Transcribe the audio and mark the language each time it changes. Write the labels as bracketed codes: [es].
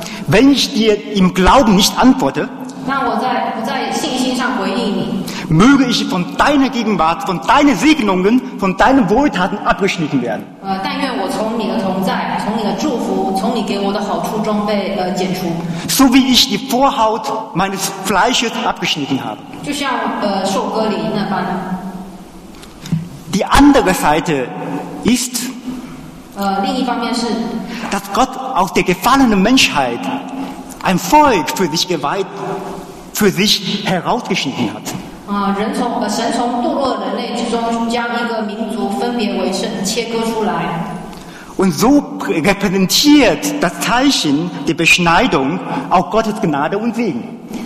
[de] Wenn ich dir im Glauben nicht antworte, [zh] 那我在不在信心上回应你。 [de] Möge ich von deiner Gegenwart, von deinen Segnungen, von deinen Wohltaten abgeschnitten werden. [zh] 但愿我从你的同在，从你的祝福，从你给我的好处中被剪除。 [de] So wie ich die Vorhaut meines Fleisches abgeschnitten habe. [zh] 就像受割礼那般。 [de] Die andere Seite ist, [zh] 另一方面是, [de] dass Gott aus der gefallenen Menschheit ein Volk für sich geweiht, für sich herausgeschnitten hat. [zh] 神从堕落人类之中将一个民族分别为圣，切割出来。 [de] Und so repräsentiert das Zeichen der Beschneidung auch Gottes Gnade und Segen.